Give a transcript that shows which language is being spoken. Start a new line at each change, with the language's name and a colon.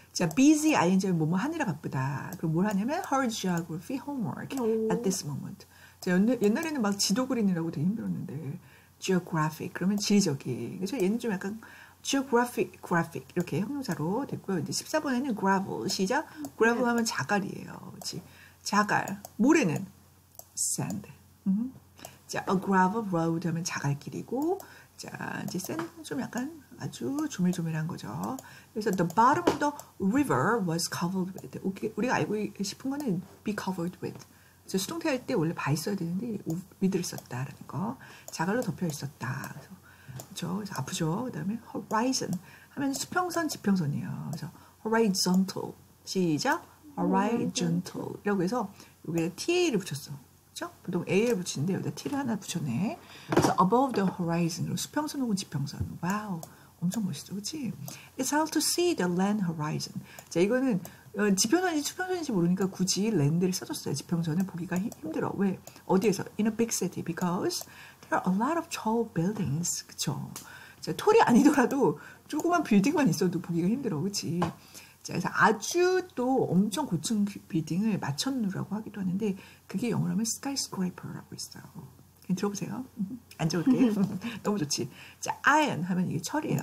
Korean: 자, busy 아닌지 뭐뭐 하느라 바쁘다. 그럼 뭘 하냐면
English: her geography homework at this moment.
Korean: 자, 옛날에는 막 지도 그리느라고 되게 힘들었는데 geographic 그러면 지리적인. 그래서 얘는 좀 약간 graphic 이렇게 형용사로 됐고요. 이제 14번에는 gravel. 시작. gravel 하면 자갈이에요. 그렇지? 자갈. 모래는 sand. 자,
English: a gravel road
Korean: 하면 자갈길이고 자, 이제 센은 좀 약간 아주 조밀조밀한 거죠. 그래서
English: the bottom of the river was covered with.
Korean: 우리가 알고 싶은 거는 be covered with. 그래서 수동태 할 때 원래 바 있어야 되는데 with를 썼다라는 거. 자갈로 덮여 있었다. 그래서, 그렇죠? 그래서 아프죠. 그다음에 horizon 하면 수평선, 지평선이에요. 그래서 horizontal 시작 horizontal 이라고 해서 여기에 TA를 붙였어. 그렇죠? 보통 A를 붙이는데 여기다 T를 하나 붙였네. 그래서
English: above the horizon
Korean: 수평선 혹은 지평선. 와우 엄청 멋있죠. 그치?
English: It's hard to see the land horizon.
Korean: 자, 이거는 지평선인지 수평선인지 모르니까 굳이 land를 써줬어요. 지평선을 보기가 힘들어. 왜? 어디에서?
English: In a big city. Because there are a lot of tall buildings.
Korean: 그쵸? 자, 톨이 아니더라도 조그만 빌딩만 있어도 보기가 힘들어. 그치? 자, 그래서 아주 또 엄청 고층 빌딩을 마천루라고 하기도 하는데 그게 영어로 하면 skyscraper라고 있어요. 들어보세요. 안 좋을 때. 너무 좋지. 자, iron 하면 이게 철이에요.